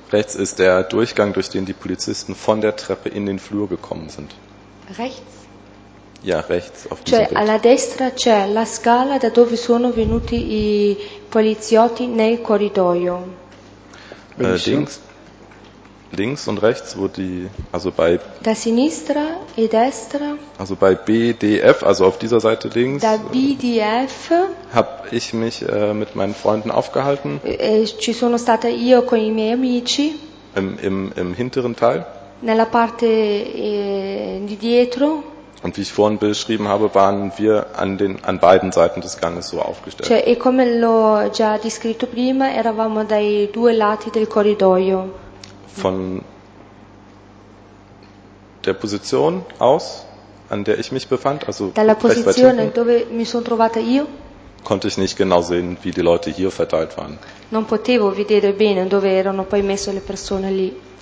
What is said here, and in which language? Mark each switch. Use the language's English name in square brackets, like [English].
[German] Rechts ist der Durchgang, durch den die Polizisten von der Treppe in den Flur gekommen sind. Rechts? Ja, rechts auf diesem Bild. [Italian] Alla destra c'è la scala da dove sono venuti i poliziotti nel corridoio. [German] Links und rechts, wo die, also bei. [Italian] Da sinistra e destra. [German] Also bei BDF, also auf dieser Seite links. [Italian] Da BDF. [German] Hab ich mich mit meinen Freunden aufgehalten. [Italian] Ci sono stata io con i miei amici. [German] Im hinteren Teil. [Italian] Nella parte di dietro. [German] Und wie ich vorhin beschrieben habe, waren wir an beiden Seiten des Ganges so aufgestellt. [Italian] Cioè, e come l'ho già descritto prima, eravamo dai due lati del corridoio. [German] Von der Position aus, an der ich mich befand, also [Italian] dalla posizione dove mi sono trovata io, [German] konnte ich nicht genau sehen, wie die Leute hier verteilt waren. [Italian] Non potevo vedere bene dove erano poi messe le persone lì.